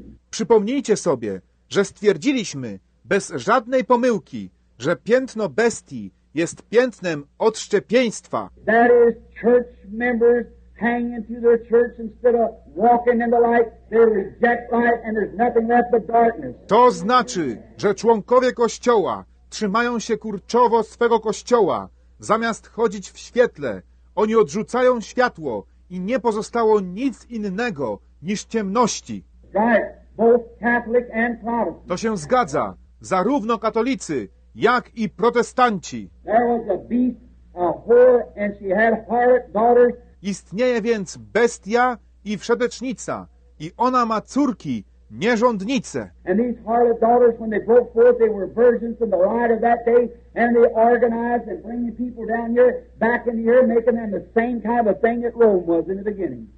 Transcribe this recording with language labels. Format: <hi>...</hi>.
<pl>Przypomnijcie sobie, że stwierdziliśmy bez żadnej pomyłki, że piętno bestii jest piętnem odszczepieństwa.</pl> <en>That is church members hanging to their church instead of walking in the light, they reject light and there's nothing left but darkness.</en> <pl>To znaczy, że członkowie kościoła trzymają się kurczowo swego kościoła, zamiast chodzić w świetle, oni odrzucają światło i nie pozostało nic innego niż ciemności.</pl> <en>Right. Both Catholic and Protestant.</en> <pl>To się zgadza, zarówno katolicy, jak i protestanci.</pl> <en>There was a beast, a whore, and she had harlot daughters.</en> <pl>Istnieje więc bestia i wszetecznica, i ona ma córki, nierządnice.</pl> <en>And these harlot daughters, when they broke forth, they were virgins from the light of that day, and they organized and bring the people down here, back in here, making them the same kind of thing that Rome was in the beginning.</en>